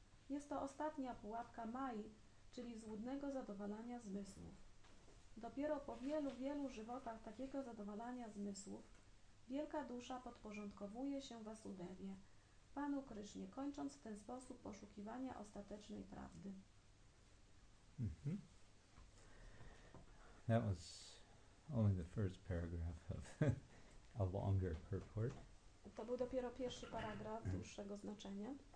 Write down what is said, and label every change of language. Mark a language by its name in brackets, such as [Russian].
[Polish] Jest to ostatnia pułapka Mai, czyli złudnego zadowalania zmysłów. Dopiero po wielu, wielu żywotach takiego zadowalania zmysłów wielka dusza podporządkowuje się Wasudewie, Panu Krysznie, kończąc w ten sposób poszukiwania ostatecznej prawdy. Mm-hmm. [English] That was only the first paragraph of a longer purport. [Polish] To był dopiero pierwszy paragraf dłuższego znaczenia.